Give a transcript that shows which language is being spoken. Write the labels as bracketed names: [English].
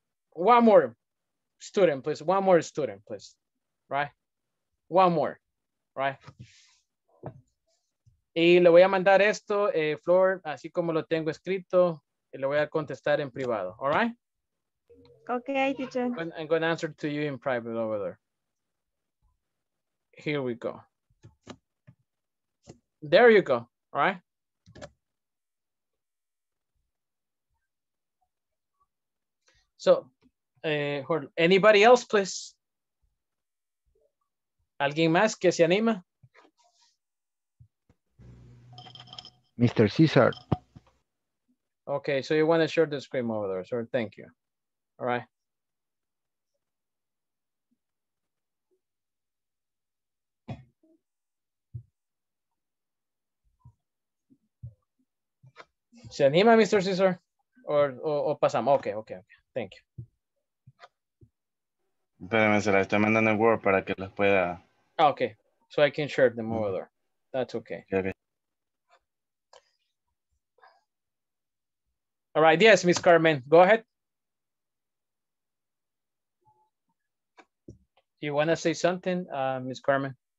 [English] One more student, please. One more student, please. Right? One more, right? [Spanish] Y le voy a mandar esto, Flor, así como lo tengo escrito, y le voy a contestar en privado. [English] All right? Okay, teacher. I'm going to answer to you in private over there. Here we go. There you go. All right? So, anybody else, please? [Spanish] ¿Alguien más que se anima? [English] Mr. Cesar. Okay, so you want to share the screen over there, sir. Thank you. All right. [Spanish] ¿Se anima, Mr. Cesar? or pasamos. [English] Okay. Thank you. [Spanish] Espérame, se la estoy mandando en Word para que los pueda. [English] Okay, so I can share them over there. That's okay. Okay. All right, yes, Ms. Carmen, go ahead. You want to say something, Ms. Carmen?